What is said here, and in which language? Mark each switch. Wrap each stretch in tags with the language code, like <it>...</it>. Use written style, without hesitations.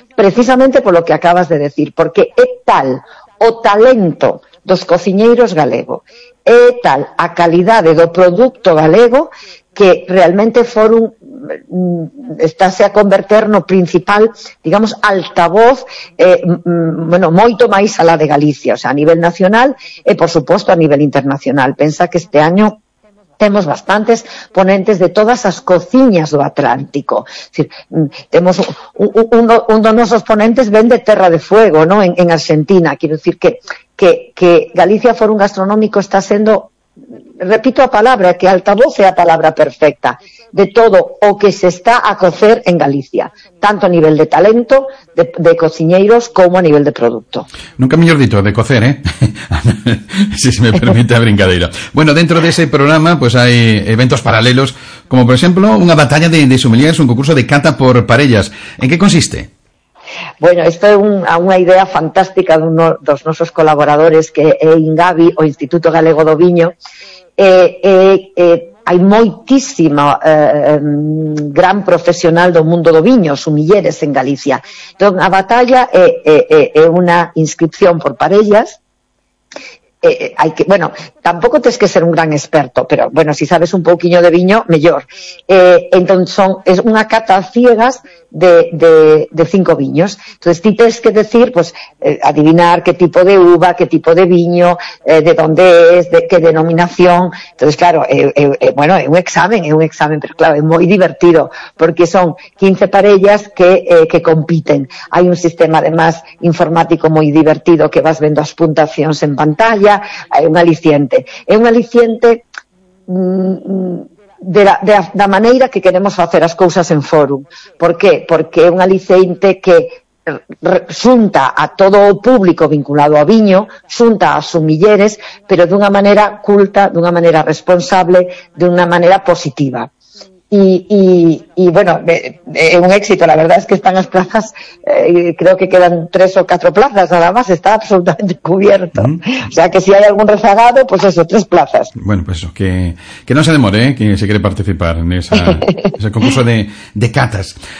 <es>Precisamente por lo que acabas de decir,</es> <gl>porque é tal o talento dos cociñeiros galego, é tal a calidade do producto galego que realmente Fórum estáse a converter no principal, digamos, altavoz, bueno, moito máis alá de Galicia, o sea, a nivel nacional e, por suposto, a nivel internacional. Pensa que este año temos bastantes ponentes de todas as cociñas do Atlántico. Decir, temos un dos nosos ponentes ven de Terra de Fuego, ¿no? En Argentina.</gl> <es>Quiero decir que</es> <gl>Galicia Fórum Gastronómico está sendo, repito a palabra, que altavoz é a palabra perfecta de todo o que se está a cocer en Galicia, tanto a nivel de talento, de cociñeiros, como a nivel de producto. Nunca mellor dito de cocer, ¿eh?</gl> <es>Si me permite</es> <gl>a brincadeira.</gl> <es>Bueno, dentro de ese programa, pues hay eventos paralelos, como por ejemplo una batalla de sommeliers, un concurso de cata</es> <gl>por parellas.</gl> <es>¿En qué consiste?</es> <gl>Bueno, esto é unha idea fantástica de uno dos nosos colaboradores, que é Ingavi, o Instituto Galego do Viño. Hai moitísima gran profesional do mundo do viño, sumilleres en Galicia. Entón, a batalla é unha inscripción por parellas. Hai que, bueno, tampouco tens que ser un gran experto, pero bueno, si sabes un pouquiño de viño, mellor. Entón son, é unha cata ciegas de cinco viños. Entonces ti tens que decir, pues, adivinar que tipo de uva, que tipo de viño, de onde é, de que denominación. Entonces claro, bueno, é un examen, pero claro, é moi divertido, porque son 15 parellas que compiten. Hai un sistema además informático moi divertido, que vas vendo as puntuacións en pantalla. É un aliciente da maneira que queremos facer as cousas en Fórum. Por qué? Porque é un aliciente que xunta a todo o público vinculado ao viño, xunta a sumilleres, pero dunha maneira culta, dunha maneira responsable, dunha maneira positiva.</gl> <es>E bueno, é un éxito, la verdad es que están as plazas, creo que quedan 3 ou 4 plazas nada más, está absolutamente cubierto. O sea, que si hay algún rezagado, pues eso, 3 plazas. Bueno, pues eso, que no se demore, que se quiere participar en esa ese concurso de catas.</es>